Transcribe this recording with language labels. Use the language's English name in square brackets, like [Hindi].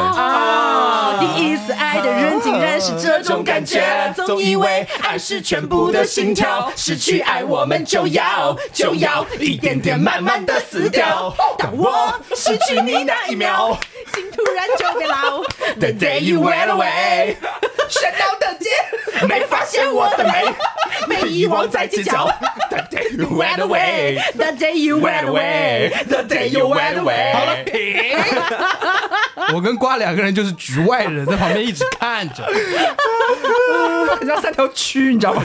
[Chinese] 啊，第一次爱的人竟然是这种感觉，总以为爱是全部的心跳，失去爱我们就要一点点慢慢的死掉。当我失去你那一秒，心突然就变老。 [English] The day you went away， [Chinese] 喧闹的街。没发现我的美，被遗忘在街角。 [English] The day you went away, the day you went away, the day you went away。 [Chinese] 好了，停。我跟瓜两个人就是局外人，在旁边一直看着，很像三条蛆，你知道吗？